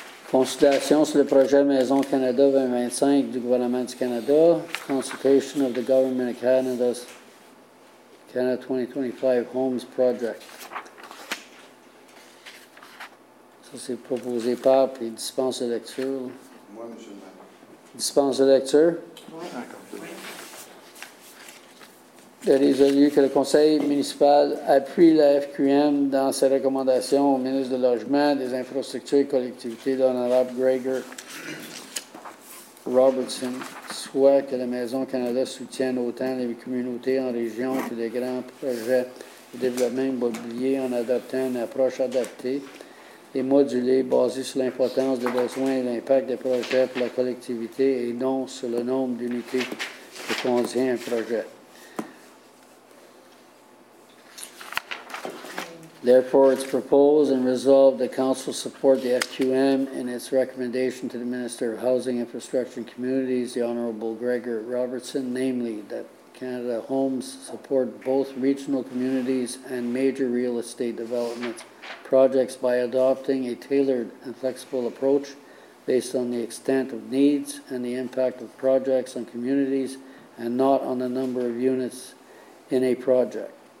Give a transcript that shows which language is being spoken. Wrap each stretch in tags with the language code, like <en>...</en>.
<fr>Consultation sur le projet Maison Canada 2025 du gouvernement du Canada.</fr> <en>Consultation of the Government of Canada's Canada 2025 Homes Project.</en> <fr>Ça, c'est proposé par, puis dispense de lecture. Moi, monsieur le maire. Dispense de lecture. Oui. Il est résolu que le conseil municipal appuie la FQM dans ses recommandations au ministre de Logement, des Infrastructures et Collectivités, l'honorable Gregor Robertson, soit que la Maison Canada soutienne autant les communautés en région que des grands projets de développement immobilier en adoptant une approche adaptée et modulée basée sur l'importance des besoins et l'impact des projets pour la collectivité et non sur le nombre d'unités que contient un projet.</fr> <en>Therefore, it's proposed and resolved the Council support the FQM in its recommendation to the Minister of Housing, Infrastructure and Communities, the Honorable Gregor Robertson, namely that Canada Homes support both regional communities and major real estate development projects by adopting a tailored and flexible approach based on the extent of needs and the impact of projects on communities and not on the number of units in a project.</en>